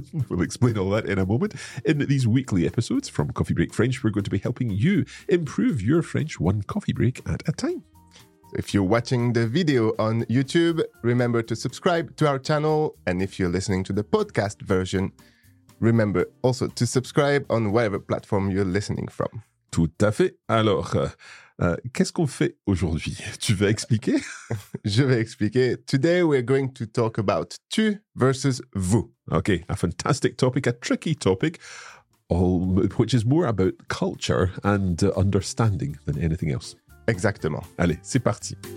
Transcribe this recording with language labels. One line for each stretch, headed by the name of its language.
English: We'll explain all that in a moment. In these weekly episodes from Coffee Break French, we're going to be helping you improve your French one coffee break at a time. If you're watching the video on YouTube, remember to subscribe to our channel. And if you're listening to the podcast version, remember also to subscribe on whatever platform you're listening from.
French: Tout à fait. Alors, qu'est-ce qu'on fait aujourd'hui? Tu veux expliquer? Je vais expliquer.
English: Today we're going to talk about tu versus vous. Okay, a fantastic topic, a tricky topic, which is more about culture and understanding than anything else.
French: Exactement. Allez, c'est parti.